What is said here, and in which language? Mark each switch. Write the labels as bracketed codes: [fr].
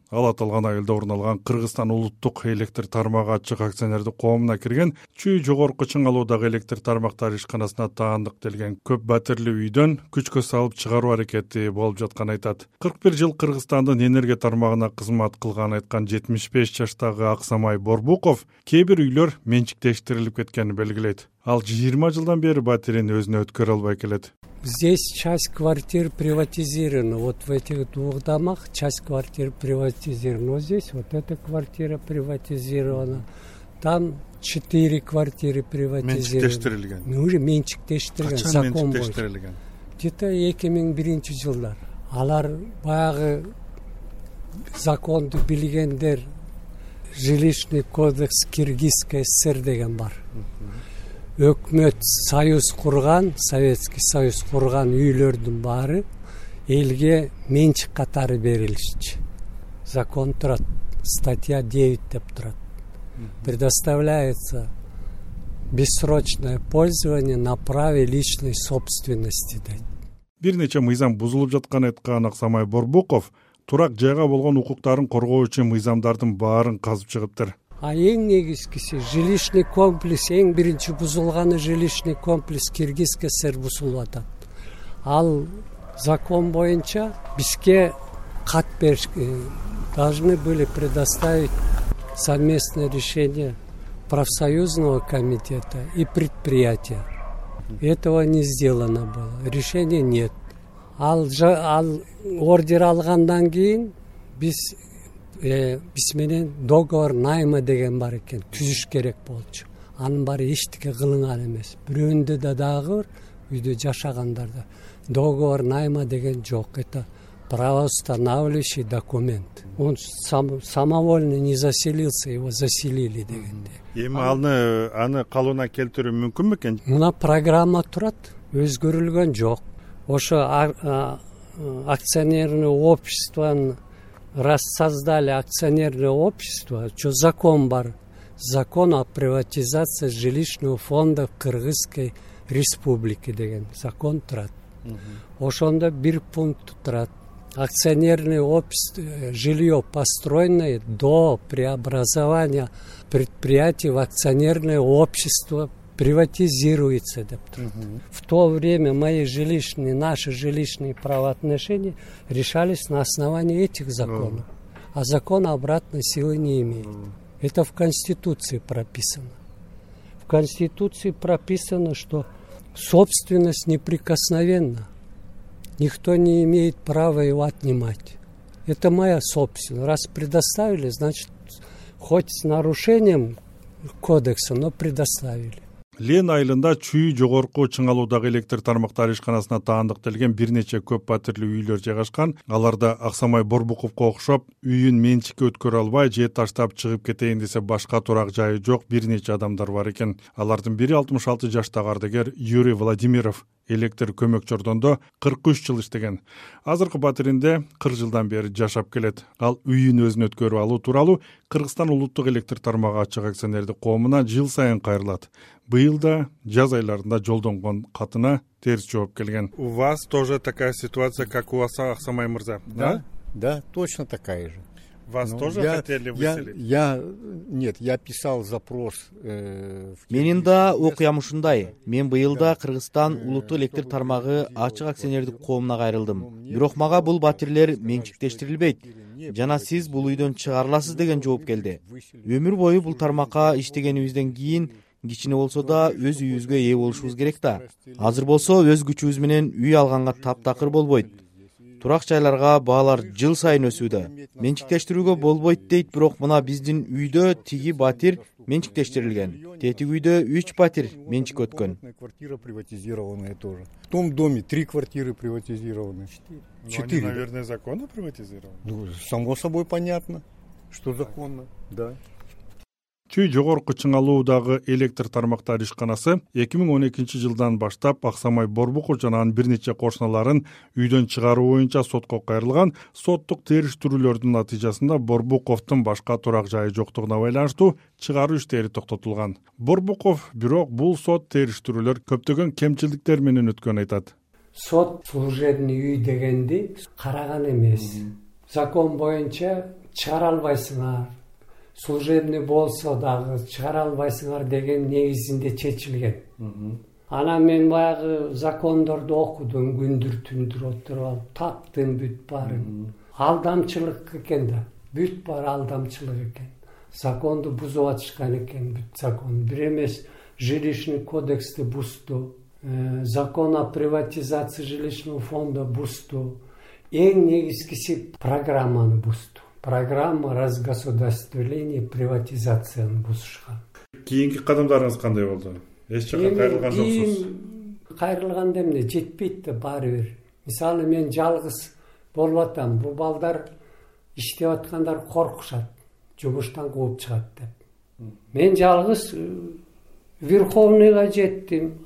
[ky] Ал аталган айылда орналган Кыргызстан улуттук электр тармагы ачык акционердик коомуна кирген, Чүй жогорку чыңалуудагы электр тармактар ишканасына таандык делген көп батирлүү үйдөн күчкө салып чыгаруу аракети болуп жатканын айтат. 41 жыл Кыргызстандын энергия тармагына кызмат кылганын айткан 75 жаштагы Аксамай Борбуков кээ бир үйлөр менчиктештирилип кеткенин белгилейт. Ал 20 жылдан бери батирин өзүнө өткөрө албай келет. [ru] Здесь часть квартир приватизирована. Вот в этих двух домах часть квартир приватизирована. Вот здесь вот эта квартира приватизирована. Там 4 квартиры приватизированы. [ky] Менчиктештирилген. Ну уже менчиктештирилген. Качан менчиктештирилген? [ru] Где-то [ky] 2001 жылдар. Алар баягы законды билгендер, [ru] жилищный кодекс Киргизской ССР [ky] деген бар. Өкмөт союз курган, Советский союз курган үйлөрдүн баары элге менчик катары берилишчи. Закон турат, статья 9 деп турат. [ru] Предоставляется бессрочное пользование на праве личной собственности. [ky] Бир нече мыйзам бузулуп жатканын айткан Аксамай Борбуков турак жайга болгон укуктарын коргоо үчүн мыйзамдардын баарын казып чыгыптыр. А эң негизгиси [ru] жилищный комплекс, [ky] эң биринчи бузулганы [ru] жилищный комплекс Киргизской ССР [ky] бузулуп атат. Ал закон боюнча бизге кат бериш [ru] должны были предоставить совместное решение профсоюзного комитета и предприятия. Этого не сделано было. Решения нет. [ky] Ал ордер алгандан кийин биз биз менен [ru] договор найма [ky] деген бар экен, түзүш керек болчу. Анын баары эчтеке кылынган эмес. Бирөөндө да дагы бар, үйдө жашагандарда [ru] договор найма [ky] деген жок. [ru] Это правоустанавливающий документ. Он самовольно не заселился, его заселили дегенде. [ky] Эми аны калыбына келтирүү мүмкүн бекен? Мына программа турат, өзгөрүлгөн жок. Ошо [ru] акционерное обществонун рассоздали акционерное общество, что закон бар, закон о приватизации жилищного фонда в Кыргызской республике [ky] деген закон турат. Ошондо бир пункт турат. [ru] Акционерное общество, жилье построенное до преобразования предприятий в акционерное общество приватизируется [ky] деп турат. [ru] В то время наши жилищные правоотношения решались на основании этих законов. А закон обратной силы не имеет. Это в Конституции прописано. В Конституции прописано, что собственность неприкосновенна. Никто не имеет права его отнимать. Это моя собственность. Раз предоставили, значит, хоть с нарушением кодекса, но предоставили. [ky] Лен айылында Чүй жогорку чыңалуудагы электр тармактар ишканасына таандык делген бир нече көп батирлүү үйлөр жайгашкан. Аларда Аксамай Борбуковко окшоп, үйүн менчикке өткөрө албай, же таштап чыгып кетейин десе башка турак жайы жок бир нече адамдар бар экен. Алардын бири 66 жаштагы ардыгер Юрий Владимиров. Электр көмөк жордондо 43 жыл иштеген. Азыркы батиринде 40 жылдан бери жашап келет. Ал үйүн өзүн өткөрүп алуу тууралуу Кыргызстан улуттук электр тармагы ачык акционердик коомуна жыл сайын кайрылат. Быйыл да жаз айларында жолдонгон катына терс жооп келген. [ru] У вас тоже такая ситуация, как у вас, Аксамай мырза? Да? Да, точно такая же. Вас тоже хотели выселить? Я писал запрос. [ky] Менин да окуям ушундай. Мен быйыл да Кыргызстан улуттук электр тармагы ачык акционердик коомуна кайрылдым. Бирок мага бул батирлер менчиктештирилбейт. Жана сиз бул үйдөн чыгарыласыз деген жооп келди. Өмүр бою бул тармакка иштегенибизден кийин кичине болсо да өз үйүбүзгө ээ болушубуз керек да. Азыр болсо өз күчүбүз менен үй алганга таптакыр болбойт. Турак жайларга баалар жыл сайын өсүүдө. Менчиктештирүүгө болбойт дейт, бирок мына биздин үйдө тиги батир менчиктештирилген. Тетиги үйдө 3 батир менчик өткөн. [ru] Квартира приватизированная тоже. В том доме 3 квартиры приватизированы. 4. Они, наверное, законно приватизированы. Само собой понятно, что законно. Да. [ky] Чүй жогорку чыңалуудагы электр тармактар ишканасы 2012 жылдан баштап Аксамай Борбукул жана анын бир нече кошуналарын үйдөн чыгаруу боюнча сотко кайрылган. Соттук териштирүүлөрдүн натыйжасында Борбуковдун башка турак жайы жоктугуна байланыштуу чыгаруу иштери токтотулган. Борбуков бирок бул сот териштирүүлөр көптөгөн кемчиликтер менен өткөн айтат. Сот служебный үй дегенди караган эмес. Закон боюнча чыгара албайсыңар. Служебный болсо дагы чыгара албайсыңар деген негизинде чечилген. Анан мен баягы закондорду окудум, күндүр түндүр отуруп алып, таптым бүт барын. Алдамчылык экен да, бүт бар алдамчылык экен. Законду бузуп атышкан экен бүт закон. Бир эмес жилищный кодексти бузду. [ru] Закон о приватизации жилищного фонда [ky] бузду. Эң негизгиси программаны бузду. [ru] Программа разгосударствления и [ky] приватизацияны бузушкан. Кийинки кадамдарыңыз кандай болду? Эч жакка кайрылган жоксуз? Кийин кайрылган деп эмне? Жетпейт да баарыбир. Мисалы мен жалгыз болуп атам. Бул балдар иштеп аткандар коркушат. Жумуштан кууп чыгат деп. Мен жалгыз Верховныйга жеттим.